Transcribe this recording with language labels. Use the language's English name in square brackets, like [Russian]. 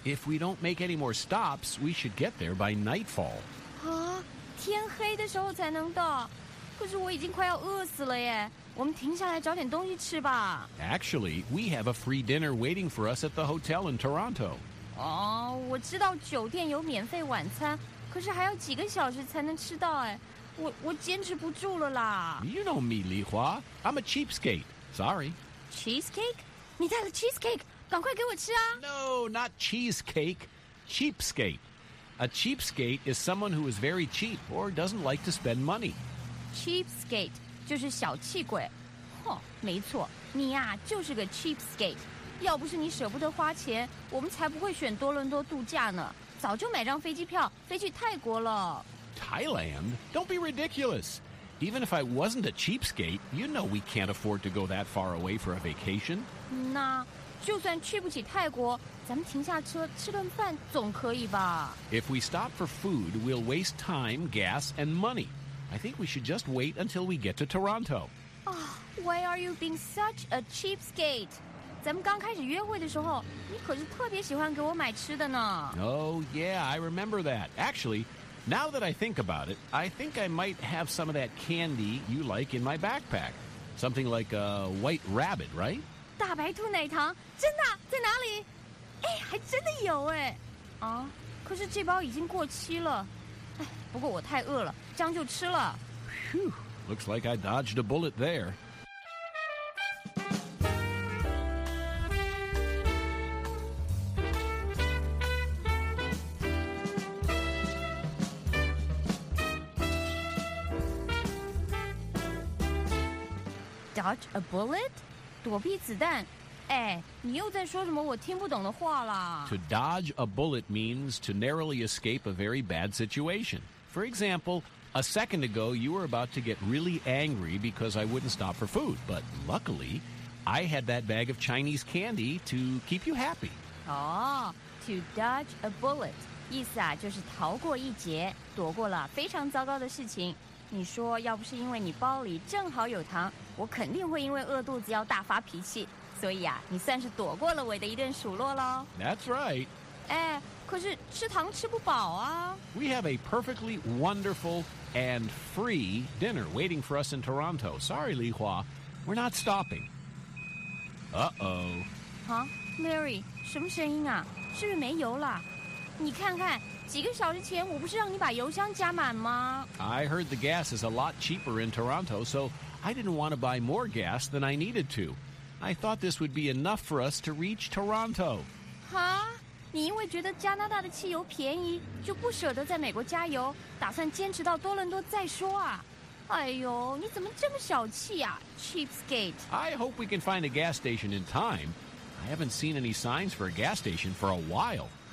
[English] If we don't make any more stops, we should get there by nightfall. [Chinese] 啊，天黑的时候才能到，可是我已经快要饿死了耶。我们停下来找点东西吃吧。 [English] Actually, we have a free dinner waiting for us at the hotel in Toronto. [Chinese] 哦，我知道酒店有免费晚餐，可是还要几个小时才能吃到哎，我坚持不住了啦。 [English] You know me, Li Hua. I'm a cheapskate. Sorry. [Chinese] Cheesecake? 你带了 cheesecake? 赶快给我吃啊。 [English] No, not cheesecake. Cheapskate. A cheapskate is someone who is very cheap or doesn't like to spend money. [Chinese] Cheapskate. 就是小气鬼，哼，没错，你呀、啊、就是个 cheapskate。要不是你舍不得花钱，我们才不会选多伦多度假呢，早就买张飞机票飞去泰国了。 [English] Thailand? Don't be ridiculous. Even if I wasn't a cheapskate, you know we can't afford to go that far away for a vacation. 那就算去不起泰国，咱们停下车吃顿饭总可以吧。 If we stop for food, we'll waste time, gas, and money. I think we should just wait until we get to Toronto. Oh, why are you being such a cheapskate? [Chinese] 咱们刚开始约会的时候，你可是特别喜欢给我买吃的呢。 [English] Oh, yeah, I remember that. Actually, now that I think about it, I think I might have some of that candy you like in my backpack. Something like a white rabbit, right? [Chinese] 大白兔奶糖，真的，在哪里？哎，还真的有哎。啊，可是这包已经过期了。哎，不过我太饿了，这样就吃了。 [English] Phew, looks like I dodged a bullet there. Dodge a bullet? [Chinese] 躲避子弹。哎，你又在说什么我听不懂的话啦。 [English] To dodge a bullet means to narrowly escape a very bad situation. For example, a second ago, you were about to get really angry because I wouldn't stop for food. But luckily, I had that bag of Chinese candy to keep you happy. Oh, to dodge a bullet. [Chinese] 意思啊，就是逃过一劫，躲过了非常糟糕的事情。你说要不是因为你包里正好有糖，我肯定会因为饿肚子要大发脾气。所以啊，你算是躲过了我的一顿数落喽。 [English] That's right. [Chinese] 哎，可是吃糖吃不饱啊。 [English] We have a perfectly wonderful and free dinner waiting for us in Toronto. Sorry, Li Hua, we're not stopping. Uh-oh. [Chinese] Huh, Mary, 什么声音啊？是不是没油了？你看看。几个小时前我不是让你把油箱加满吗 [English] I heard the gas is a lot cheaper in Toronto, so I didn't want to buy more gas than I needed to. I thought this would be enough for us to reach Toronto. Huh? [Chinese] 你因为觉得加拿大的汽油便宜就不舍得在美国加油打算坚持到多伦多再说啊哎呦你怎么这么小气啊 Cheapskate. [English] I hope we can find a gas station in time. I haven't seen any signs for a gas station for a while.